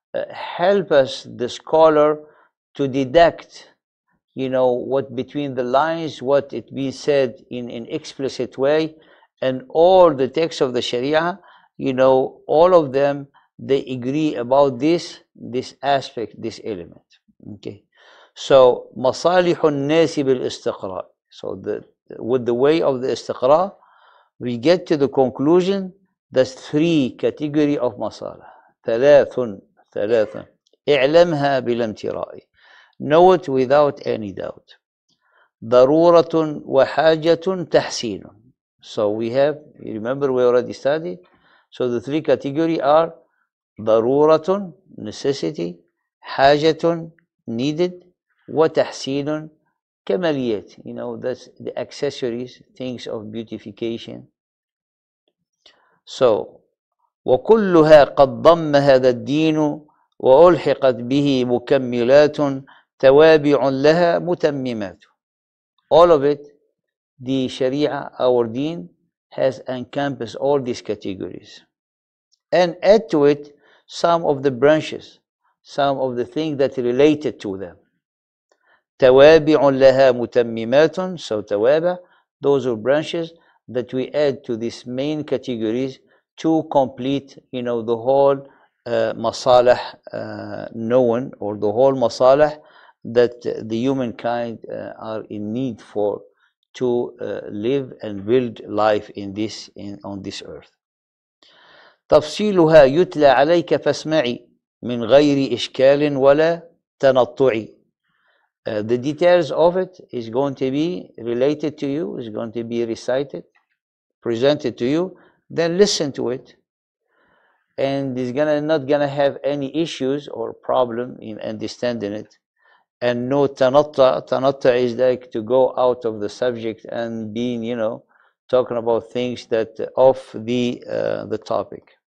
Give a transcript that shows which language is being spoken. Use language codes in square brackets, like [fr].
[en] Help us, the scholar, to deduct, you know, what between the lines, what it be said in an explicit way, and all the texts of the Sharia, you know, all of them, they agree about this aspect, this element. Okay. [ar] So, مصالح الناس بالاستقراء. [en] So, with the way of the استقراء, we get to the conclusion that three category of مصالح. [ar] ثلاث ثلاثة اعلمها بلا امتراء. [en] Know it without any doubt. [ar] ضرورة وحاجة تحسين. [en] So we have, you remember we already studied. So the three categories are ضرورة, necessity, حاجة, needed, وتحسين, كماليات. You know, that's the accessories, things of beautification. [ar] So وكلها قد ضم هذا الدين وألحقت به مكملات توابع لها متممات. [en] All of it, the Sharia, our deen, has encompassed all these categories. And add to it some of the branches, some of the things that related to them. [ar] توابع لها متممات. [en] So توابع, those are branches that we add to these main categories to complete, you know, the whole masalah known, or the whole masalah that the humankind are in need for to live and build life in this on this earth. [ar] تفصيلها يتلى عليك فاسمعي من غير إشكال ولا تنطعي. [en] The details of it is going to be related to you, is going to be recited, presented to you, then listen to it. And it's not gonna have any issues or problem in understanding it. And no tanatta. Tanatta is like to go out of the subject and being, you know, talking about things that off the topic.